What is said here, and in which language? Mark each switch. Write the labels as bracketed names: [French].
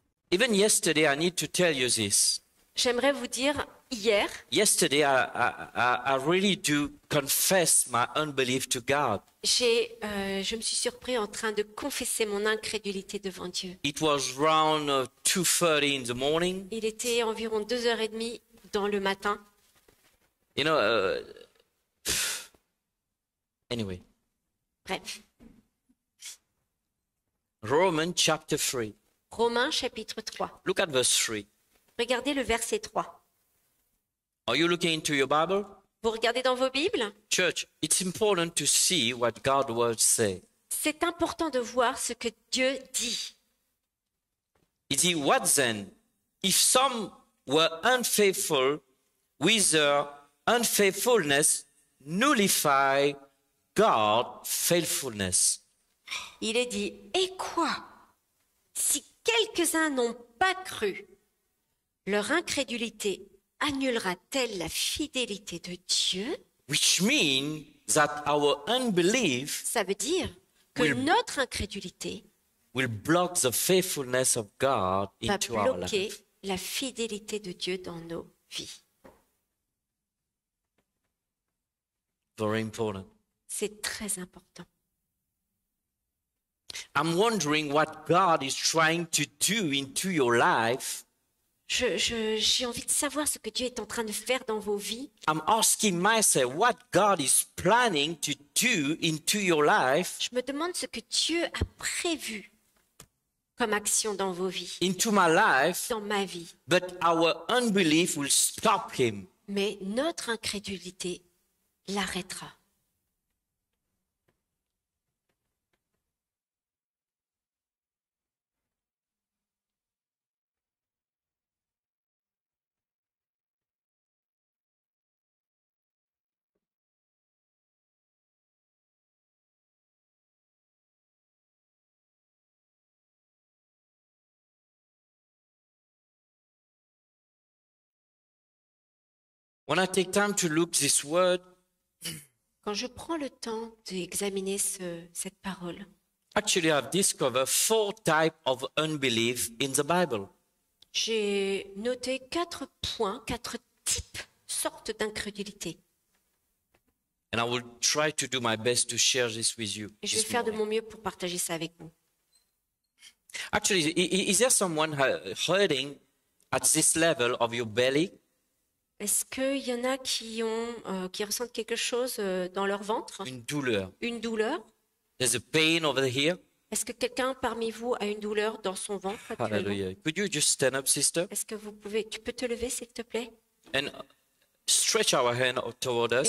[English] Even yesterday I need to tell you this. [French] J'aimerais vous dire hier. [English] Yesterday I really do confess my unbelief to God. [French] Je me suis surpris en train de confesser mon incrédulité devant Dieu. [English] It was around 2:30 in the morning. [French] Il était environ 2h30 dans le matin. [English] You know anyway. [French] Bref. [English] Romans chapter 3. [French] Romains chapitre 3. [English] Look at verse 3. [French] Regardez le verset 3. [English] Are you looking into your Bible? [French] Vous regardez dans vos Bibles? [English] Church, it's important to see what God's word says. [French] C'est important de voir ce que Dieu dit. [English] He said, what then? If some were unfaithful, with their unfaithfulness nullify God's faithfulness. [French] Il est dit, et quoi? Si quelques-uns n'ont pas cru, leur incrédulité annulera-t-elle la fidélité de Dieu? [English] Which means that our unbelief, [French] ça veut dire que notre incrédulité, [English] will block the faithfulness of God into our life, [French] va bloquer la fidélité de Dieu dans nos vies. [English] Very important. [French] C'est très important. [English] I'm wondering what God is trying to do into your life. [French] J'ai envie de savoir ce que Dieu est en train de faire dans vos vies. [English] I'm asking myself what God is planning to do into your life. [French] Je me demande ce que Dieu a prévu comme action dans vos vies. [English] Into my life. [French] Dans ma vie. [English] But our unbelief will stop him. [French] Mais notre incrédulité l'arrêtera. [English] When I take time to look this word, [French] quand je prends le temps d'examiner cette parole, [English] actually I've discovered four types of unbelief in the Bible. [French] J'ai noté quatre points, quatre types, sortes d'incrédulité. [English] And I will try to do my best to share this with you. [French] Et je vais faire de mon mieux pour partager ça avec vous. [English] Actually, is there someone hurting at this level of your belly? [French] Est-ce qu'il y en a qui ressentent quelque chose dans leur ventre? Une douleur. Une douleur? [English] There's a pain over here. [French] Est-ce que quelqu'un parmi vous a une douleur dans son ventre actuellement? [English] Hallelujah. Could you just stand up, sister? [French] Est-ce que vous pouvez, tu peux te lever, s'il te plaît? [English] And stretch our hand toward us.